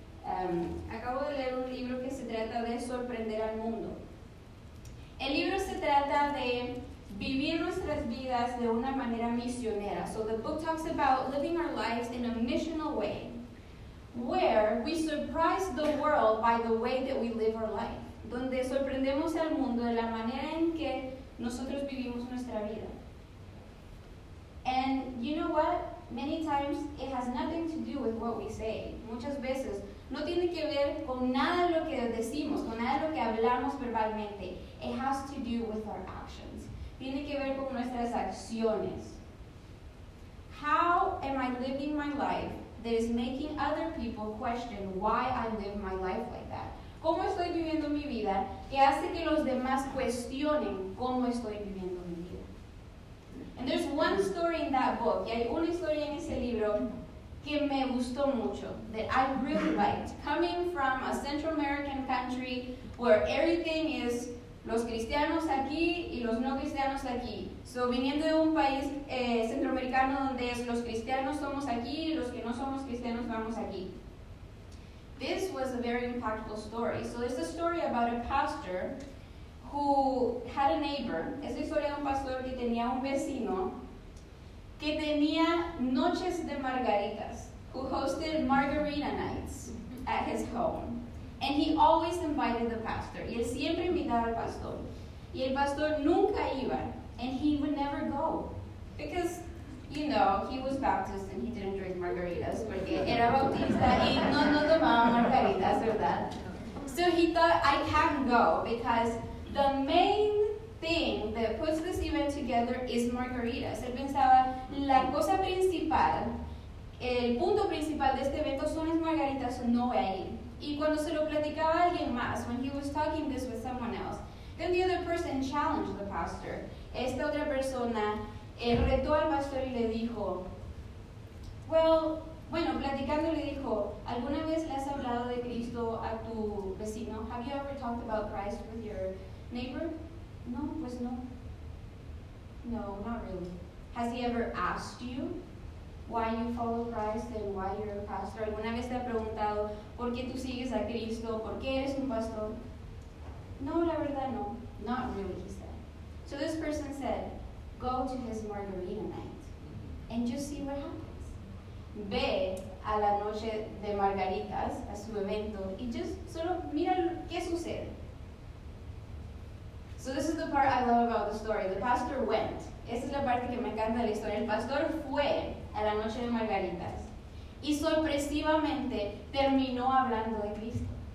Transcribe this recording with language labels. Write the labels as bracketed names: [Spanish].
[Spanish] Acabo de leer un libro que se trata de sorprender al mundo. El libro se trata de vivir nuestras vidas de una manera misionera. [English] So the book talks about living our lives in a missional way, where we surprise the world by the way that we live our life. [Spanish] Donde sorprendemos al mundo de la manera en que nosotros vivimos nuestra vida. [English] And you know what? Many times it has nothing to do with what we say. [Spanish] Muchas veces no tiene que ver con nada de lo que decimos, con nada de lo que hablamos verbalmente. [English] It has to do with our actions. [Spanish] Tiene que ver con nuestras acciones. [English] How am I living my life that is making other people question why I live my life like that? [Spanish] ¿Cómo estoy viviendo mi vida que hace que los demás cuestionen cómo estoy viviendo mi vida? [English] And there's one story in that book, [Spanish] y hay una historia en ese libro que me gustó mucho, [English] that I really liked. Coming from a Central American country where everything is [Spanish] los cristianos aquí y los no cristianos aquí. So, viniendo de un país centroamericano donde es los cristianos somos aquí y los que no somos cristianos vamos aquí. [English] This was a very impactful story. So, it's a story about a pastor who had a neighbor. [Spanish] Es la historia de un pastor que tenía un vecino que tenía noches de margaritas, [English] who hosted margarita nights at his home. And he always invited the pastor. [Spanish] Y él siempre invitaba al pastor. Y el pastor nunca iba. [English] And he would never go. Because, you know, he was Baptist and he didn't drink margaritas. [Spanish] Porque era bautista y no tomaba margaritas, ¿verdad? [English] So he thought, I can't go because the main thing that puts this event together is margaritas. [Spanish] Él pensaba, la cosa principal, el punto principal de este evento son las margaritas, no voy a ir. Y cuando se lo platicaba a alguien más, [English] when he was talking this with someone else, then the other person challenged the pastor. [Spanish] Esta otra persona retó al pastor y le dijo, platicando le dijo, ¿alguna vez le has hablado de Cristo a tu vecino? [English] Have you ever talked about Christ with your neighbor? [Spanish] No, pues no. [English] No, not really. Has he ever asked you why you follow Christ and why you're a pastor? [Spanish] ¿Alguna vez te ha preguntado por qué tú sigues a Cristo? ¿Por qué eres un pastor? No, la verdad no. [English] Not really, he said. So this person said, go to his margarita night and just see what happens. [Spanish] Ve a la noche de margaritas, a su evento, y just solo mira qué sucede. [English] So this is the part I love about the story. The pastor went. [Spanish] Esa es la parte que me encanta de la historia. El pastor fue a la noche de margaritas y sorpresivamente terminó hablando de Cristo.